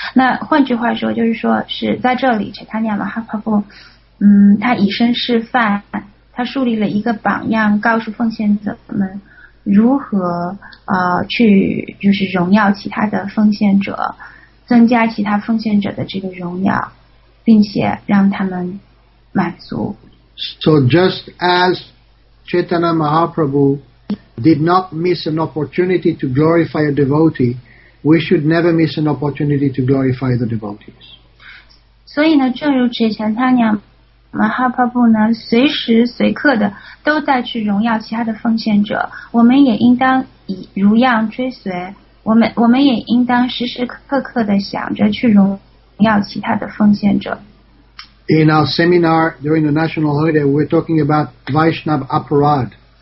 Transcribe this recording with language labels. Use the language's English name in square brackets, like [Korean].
[Chinese] 那换句话说，就是说是在这里，查塔尼亚马哈帕布，他以身示范，他树立了一个榜样，告诉奉献者们如何去就是荣耀其他的奉献者，增加其他奉献者的这个荣耀，并且让他们满足。 [English] So just as Chaitanya Mahaprabhu. Did not miss an opportunity to glorify a devotee, we should never miss an opportunity to glorify the devotees. [Chinese] 所以呢，正如之前他讲，马哈帕布呢，随时随刻的都在去荣耀其他的奉献者。我们也应当以如样追随，我们也应当时时刻刻的想着去荣耀其他的奉献者。 [English] In our seminar during the national holiday, we're talking about Vaishnav Aparad.